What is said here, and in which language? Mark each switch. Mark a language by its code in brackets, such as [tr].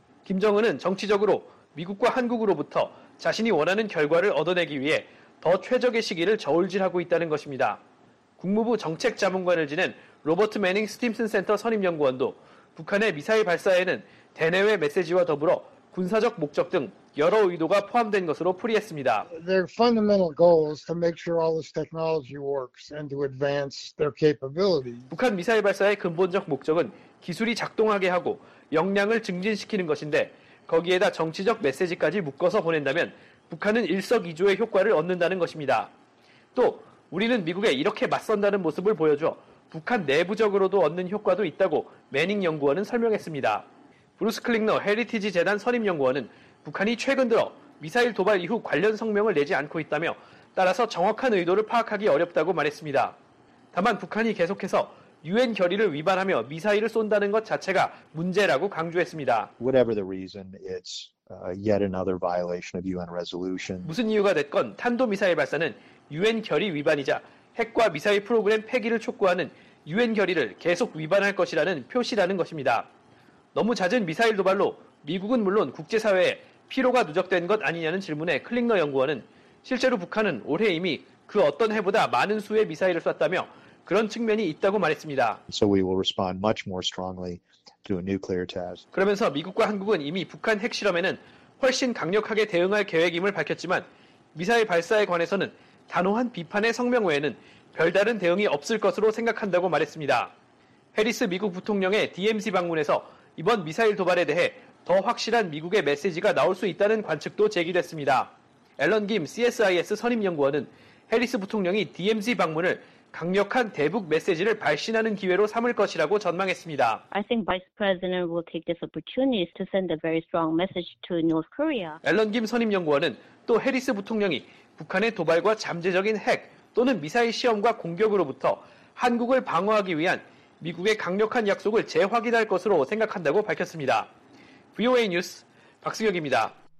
[ko] 김정은은 정치적으로 미국과 한국으로부터 자신이 원하는 결과를 얻어내기 위해 더 최적의 시기를 저울질하고 있다는 것입니다. 국무부 정책자문관을 지낸 로버트 매닝 스팀슨 센터 선임연구원도 북한의 미사일 발사에는 대내외 메시지와 더불어 군사적 목적 등 여러 의도가 포함된 것으로 풀이했습니다. [en] Their fundamental goal is to make sure all this technology works and to advance their capability. [ko] 북한 미사일 발사의 근본적 목적은 기술이 작동하게 하고 역량을 증진시키는 것인데 거기에다 정치적 메시지까지 묶어서 보낸다면 북한은 일석이조의 효과를 얻는다는 것입니다. 또 우리는 미국에 이렇게 맞선다는 모습을 보여줘 북한 내부적으로도 얻는 효과도 있다고 매닝 연구원은 설명했습니다. 브루스 클링너 헤리티지 재단 선임 연구원은 북한이 최근 들어 미사일 도발 이후 관련 성명을 내지 않고 있다며 따라서 정확한 의도를 파악하기 어렵다고 말했습니다. 다만 북한이 계속해서 유엔 결의를 위반하며 미사일을 쏜다는 것 자체가 문제라고 강조했습니다. [en] Whatever the reason, it's yet another violation of UN resolution. [ko] 무슨 이유가 됐건 탄도미사일 발사는 유엔 결의 위반이자 핵과 미사일 프로그램 폐기를 촉구하는 유엔 결의를 계속 위반할 것이라는 표시라는 것입니다. 너무 잦은 미사일 도발로 미국은 물론 국제사회에 피로가 누적된 것 아니냐는 질문에 클링너 연구원은 실제로 북한은 올해 이미 그 어떤 해보다 많은 수의 미사일을 쐈다며 그런 측면이 있다고 말했습니다. [en] So we will respond much more strongly to a nuclear test. [ko] 그러면서 미국과 한국은 이미 북한 핵실험에는 훨씬 강력하게 대응할 계획임을 밝혔지만 미사일 발사에 관해서는 단호한 비판의 성명 외에는 별다른 대응이 없을 것으로 생각한다고 말했습니다. 해리스 미국 부통령의 DMZ 방문에서 이번 미사일 도발에 대해 더 확실한 미국의 메시지가 나올 수 있다는 관측도 제기됐습니다. 앨런 김 CSIS 선임연구원은 해리스 부통령이 DMZ 방문을 강력한 대북 메시지를 발신하는 기회로 삼을 것이라고 전망했습니다. [en] I think Vice President will take this opportunity to send a very strong message to North Korea. [ko] 앨런 김 선임연구원은 또 해리스 부통령이 북한의 도발과 잠재적인 핵 또는 미사일 시험과 공격으로부터 한국을 방어하기 위한 미국의 강력한 약속을 재확인할 것으로 생각한다고 밝혔습니다. VOA 뉴스 박승혁입니다.